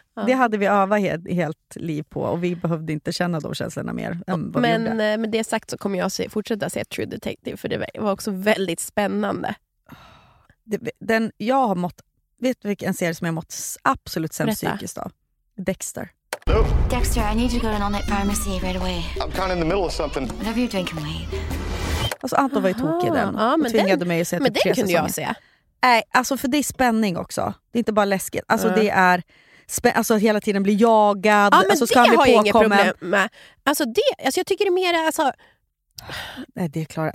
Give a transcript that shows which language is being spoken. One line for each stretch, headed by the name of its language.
Swedish: Det hade vi övat helt liv på. Och vi behövde inte känna de känslorna mer än vad men, med det sagt så kommer jag fortsätta se True Detective. För det var också väldigt spännande. Den jag har mått, vet du vilken serie som jag har mått absolut sämst psykiskt av? Dexter.
English: Dexter, I need to go to an all-night pharmacy right away. I'm kind of in the middle of something. Whatever you're doing can wait.
Swedish: Alltså Anton var ju tokig i den och tvingade mig att se till tre säsonger. Men den kunde jag se. Nej, alltså för det är spänning också. Det är inte bara läskigt. Alltså det är alltså hela tiden blir jagad. Ja, men alltså, det ska bli har jag inget problem med. Alltså det, alltså jag tycker det är mer alltså... Nej, det är klart.